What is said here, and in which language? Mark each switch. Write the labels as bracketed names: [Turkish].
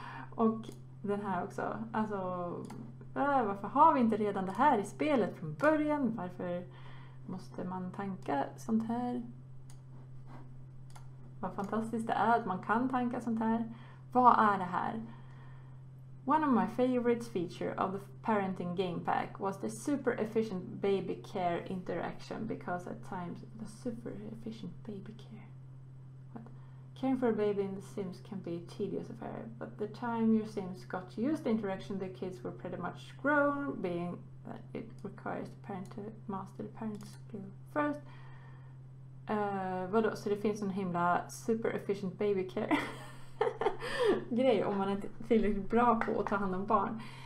[Swedish] Och den här också. Alltså, varför har vi inte redan det här i spelet från början? Varför måste man tanka sånt här? Vad fantastiskt det är att man kan tanka sånt här. Vad är det här? [English] One of my favorite features of the parenting game pack was the super efficient baby care interaction because at times the super efficient baby care. Caring for a baby in the Sims can be a tedious affair, but the time your Sims got used to interaction, the kids were pretty much grown, being that it requires the parent to master the parent skill first. [Swedish] Vadå, så det finns en himla super efficient baby care grej om man inte är tillräckligt bra på att ta hand om barn.